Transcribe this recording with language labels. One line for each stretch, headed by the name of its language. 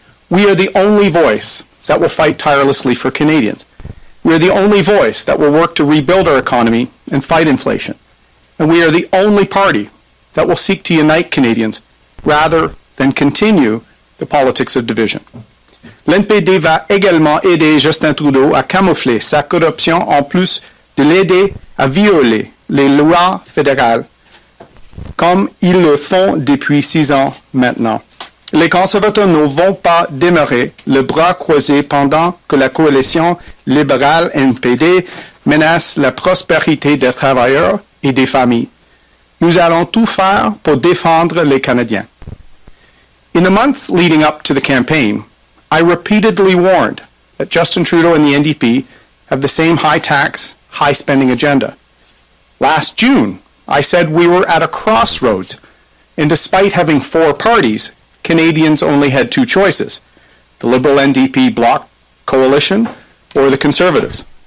English: We are the only voice that will fight tirelessly for Canadians. We are the only voice that will work to rebuild our economy and fight inflation. And we are the only party that will seek to unite Canadians rather than continue the politics of division.
French: L'NPD va également aider Justin Trudeau à camoufler sa corruption en plus de l'aider à violer les lois fédérales comme ils le font depuis 6 ans maintenant. Les conservateurs ne vont pas demeurer le bras croisé pendant que la coalition libérale NPD menace la prospérité des travailleurs et des familles. Nous allons tout faire pour défendre les Canadiens.
English: In the months leading up to the campaign, I repeatedly warned that Justin Trudeau and the NDP have the same high tax, high spending agenda. Last June, I said we were at a crossroads, and despite having four parties, Canadians only had two choices, the Liberal NDP bloc coalition or the Conservatives.